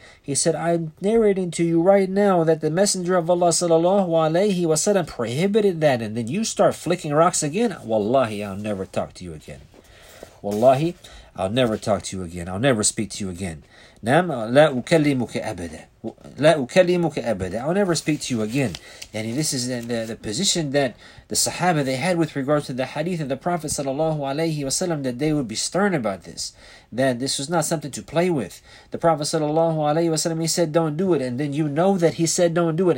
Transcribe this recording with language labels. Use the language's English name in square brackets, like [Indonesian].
[English] He said, I'm narrating to you right now that the Messenger of Allah sallallahu alayhi wa sallam prohibited that, and then you start flicking rocks again. Wallahi, I'll never talk to you again. Wallahi, I'll never talk to you again. I'll never speak to you again. [Arabic] نعم لا أكلمك أبدا لا أكلمك أبدا. [English] I'll never speak to you again. And this is the position that the Sahaba they had with regards to the hadith of the Prophet sallallahu alaihi wasallam, that they would be stern about this. That this was not something to play with. The Prophet sallallahu alaihi wasallam, he said, don't do it. And then you know that he said, don't do it.